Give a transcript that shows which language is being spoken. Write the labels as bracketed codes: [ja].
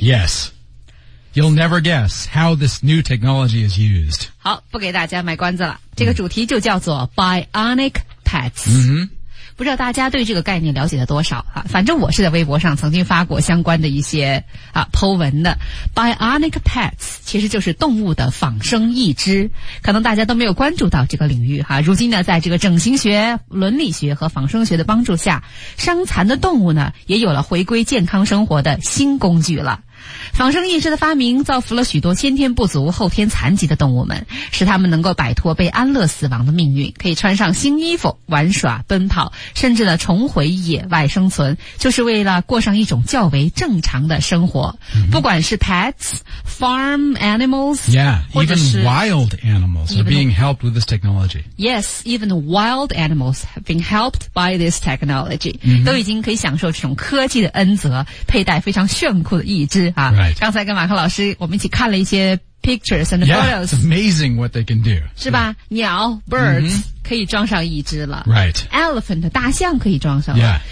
[en] Yes, you'll never guess how this new technology is used. [zh] 好，不给大家卖关子了，这个主题就叫做 [en] bionic pets。 Mm-hmm. [zh] 不知道大家对这个概念了解了多少啊？反正我是在微博上曾经发过相关的一些啊 po 文的。 Bionic pets 其实就是动物的仿生义肢，可能大家都没有关注到这个领域哈、啊。如今呢，在这个整形学、伦理学和仿生学的帮助下，伤残的动物呢也有了回归健康生活的新工具了。仿生义肢的发明造福了许多先天不足后天残疾的动物们，使他们能够摆脱被安乐死亡的命运，可以穿上新衣服玩耍奔跑，甚至呢重回野外生存，就是为了过上一种较为正常的生活、 mm-hmm. 不管是 [en] pets farm animals yeah even wild animals are being helped with this technology yes even wild animals have been helped by this technology、 mm-hmm. [zh] 都已经可以享受这种科技的恩泽，佩戴非常炫酷的义肢啊、 [en] right. [zh] 刚才跟马克老师我们一起看了一些 [en] pictures and photos. Yeah, it's amazing what they can do. [zh] 是吧、 [en] yeah. [zh] 鸟 birds、mm-hmm. 可以装上一只了。 [en] Right. [zh] Elephant, 大象可以装上了。